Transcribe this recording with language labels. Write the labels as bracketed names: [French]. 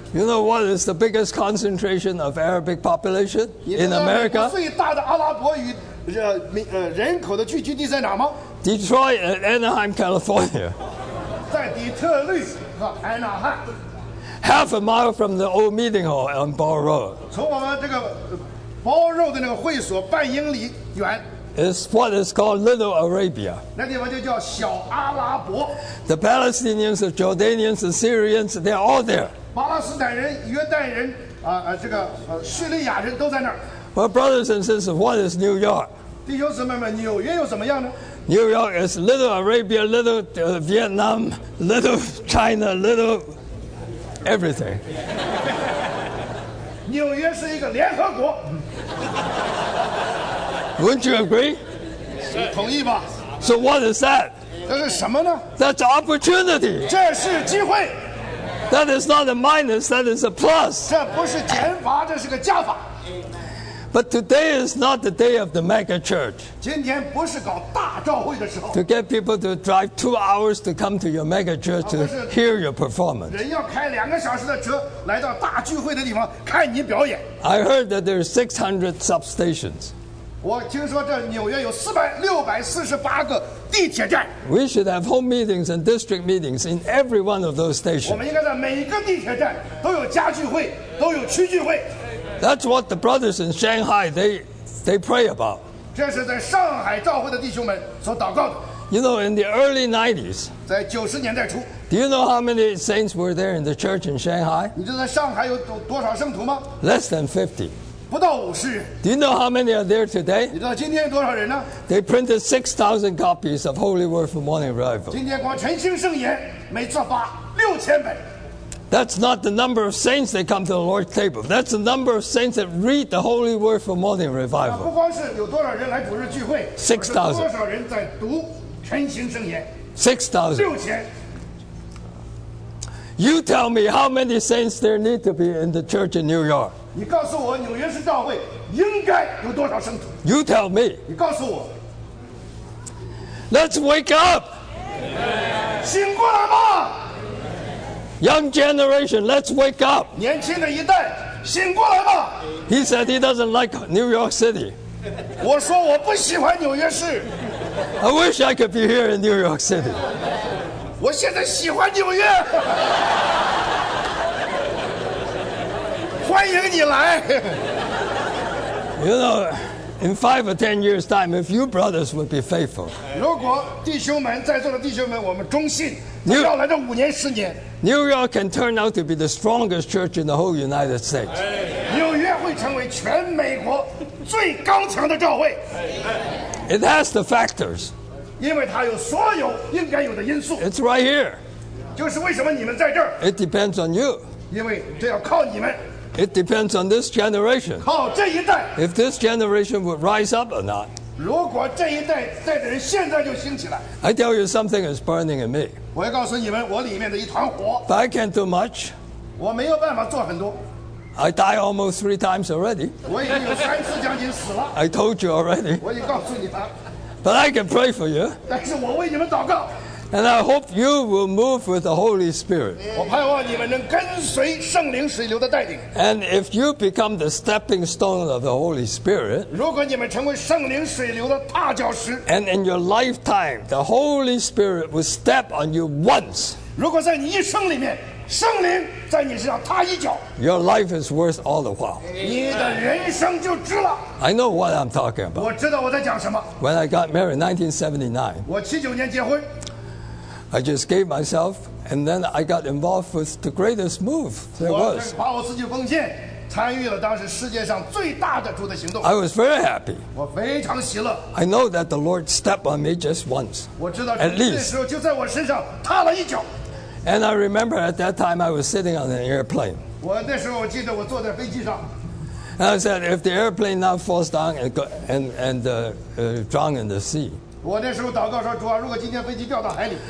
[English] You know what is the biggest concentration of Arabic population in America? [Chinese] 你知道美国最大的阿拉伯语人口的聚集地在哪吗？ [English] Detroit and Anaheim, California. [Chinese] 在底特律和安纳汉。 [English] Half a mile from the old meeting hall on Ball Road. [Chinese] 从我们这个 Ball Road 的那个会所半英里远。 [English] Is what is called Little Arabia. [Chinese] 那地方就叫小阿拉伯。 [English] The Palestinians, the Jordanians, the Syrians, they're all there. [Chinese] 巴勒斯坦人、约旦人、叙利亚人都在那儿。 [English] Well, brothers and sisters, what is New York? [Chinese] 弟兄姊妹们，纽约又怎么样呢？ [English] New York is Little Arabia, Little Vietnam, Little China, Little everything. [Chinese] 纽约是一个联合国。 [English] Wouldn't you agree? [Chinese] 同意吧。 [English] So what is that? [Chinese] 这是什么呢？ [English] That's opportunity. [Chinese] 这是机会。 [English] That is not a minus, that is a plus. [Chinese] 这不是减法，这是个加法。 [English] But today is not the day of the mega church. [Chinese] 今天不是搞大召会的时候。 [English] To get people to drive 2 hours to come to your mega church to hear your performance. [Chinese] 人要开两个小时的车来到大聚会的地方看你表演。 [English] I heard that there are 600 substations. [Chinese] 我听说这纽约有648个地铁站。 [English] We should have home meetings and district meetings in every one of those stations. [Chinese] 我们应该在每一个地铁站都有家聚会，都有区聚会。 [English] That's what the brothers in Shanghai they pray about. [Chinese] 这是在上海召会的弟兄们所祷告的。 [English] You know, in the early 90s, [Chinese] 在九十年代初。 [English] Do you know how many saints were there in the church in Shanghai? [Chinese] 你知道上海有多少圣徒吗？ [English] Less than 50. [Chinese] 不到五十。 [English] Do you know how many are there today? [Chinese] 你知道今天有多少人呢？ [English] They printed 6,000 copies of Holy Word for Morning Revival. [Chinese] 今天光晨兴圣言每次发6,000本。 [English] That's not the number of saints that come to the Lord's table. That's the number of saints that read the Holy Word for Morning Revival. [Chinese] 不光是有多少人来主日聚会， [English] 6,000 [Chinese] 多少人在读晨兴圣言？ [English] 6,000 [Chinese] 6,000。 [English] You tell me how many saints there need to be in the church in New York. [Chinese] 你告诉我纽约市教会应该有多少圣徒。 [English] You tell me. [Chinese] 你告诉我。 [English] Let's wake up. [Chinese] 醒过来吧。 [English] Young generation, let's wake up. [Chinese] 年轻的一代，醒过来吧。 [English] He said he doesn't like New York City. [Chinese] 我说我不喜欢纽约市。 [English] I wish I could be here in New York City. [Chinese] 我现在喜欢纽约。欢迎你来。 [English] You know, in 5 or 10 years' time, if you brothers would be faithful, [Chinese] 如果弟兄们在座的弟兄们，我们忠信，要来这五年十年 [English] ，New York can turn out to be the strongest church in the whole United States. [Chinese] 纽约会成为全美国最刚强的教会。 [English] It has the factors. [Chinese] 因为它有所有应该有的因素。 [English] It's right here. [Chinese] 就是为什么你们在这儿。 [English] It depends on you. [Chinese] 因为这要靠你们。 [English] It depends on this generation. [Chinese] 靠这一代。 [English] If this generation would rise up or not. [Chinese] 如果这一代带的人现在就兴起来。 [English] I tell you something is burning in me. [Chinese] 我要告诉你们，我里面的一团火。 [English] If I can't do much. [Chinese] 我没有办法做很多。 [English] I die almost three times already. [Chinese] 我已经有三次将近死了。 [English] I told you already. [Chinese] 我已经告诉你了。 [English] But I can pray for you. [Chinese] 但是我为你们祷告。 [English] And I hope you will move with the Holy Spirit. [Chinese] 我盼望你们能跟随圣灵水流的带领。 [English] And if you become the stepping stone of the Holy Spirit, [Chinese] 如果你们成为圣灵水流的踏脚石。 [English] And in your lifetime, the Holy Spirit will step on you once. [Chinese] 如果在你一生里面。圣灵在你身上踏一脚。 [English] Your life is worth all the while. [Chinese] 你的人生就值了。 [English] I know what I'm talking about. [Chinese] 我知道我在讲什么。 [English] When I got married in 1979, [Chinese] 我七九年结婚。 [English] I just gave myself, and then I got involved with the greatest move there was. [Chinese] 我把我自己奉献，参与了当时世界上最大的主的行动。 [English] I was very happy. [Chinese] 我非常喜乐。 [English] I know that the Lord stepped on me just once. [Chinese] 我知道， [English] at least. [Chinese] 那时候就在我身上踏了一脚。 [English] And I remember at that time I was sitting on an airplane. [Chinese] 我那时候我记得我坐在飞机上。 [English] And I said, if the airplane now falls down and drown in the sea. [Chinese] 我那时候祷告说，主啊，如果今天飞机掉到海里。